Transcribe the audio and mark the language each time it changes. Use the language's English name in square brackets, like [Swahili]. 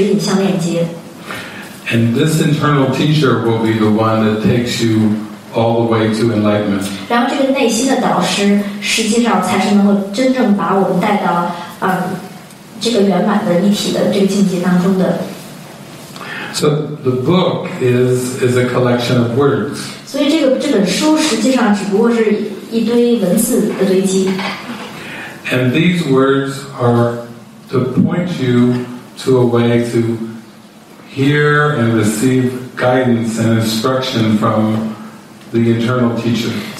[Chinese] 实际上，奇迹课程是这样的一个道路，它这个道路是使我们能够跟我们内心的这个圣灵的指引相连接。 [English] And this internal teacher will be the one that takes you all the way to enlightenment. [Chinese] 然后这个内心的导师，实际上才是能够真正把我们带到这个圆满的一体的这个境界当中的。 [English] So the book is a collection of words. [Chinese] 所以这本书实际上只不过是一堆文字的堆积。 [English] And these words are to point you to a way to hear and receive guidance and instruction from the internal teacher.